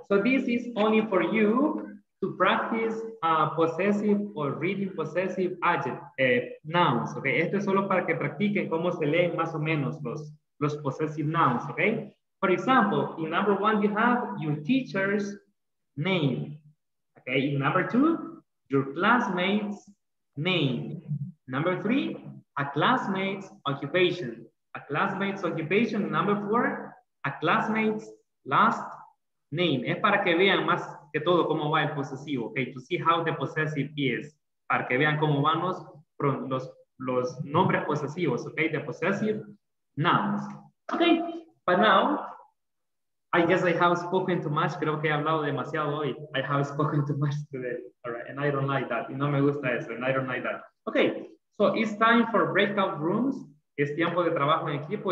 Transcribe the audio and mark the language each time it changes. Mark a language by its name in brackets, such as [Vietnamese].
[English] So this is only for you to practice possessive or reading possessive nouns. [Spanish] Okay. Esto es solo para que practiquen cómo se leen más o menos los [English] possessive nouns. [Spanish] Okay. [English] For example, in number one, you have your teacher's name. Okay, in number two, your classmate's name. Number three, a classmate's occupation. A classmate's occupation. Number four, a classmate's last name. [Spanish] Es para que vean más que todo cómo va el posesivo. Okay, [English] to see how the possessive is. [Spanish] Para que vean cómo van los nombres posesivos. [English] Okay, the possessive nouns. Okay, but now, I guess I have spoken too much. [Spanish] Creo que he hablado demasiado hoy. [English] I have spoken too much today. All right, and I don't like that. [Spanish] Y no me gusta eso, [English] and I don't like that. Okay, so it's time for breakout rooms. [Spanish] Es tiempo de trabajo en equipo.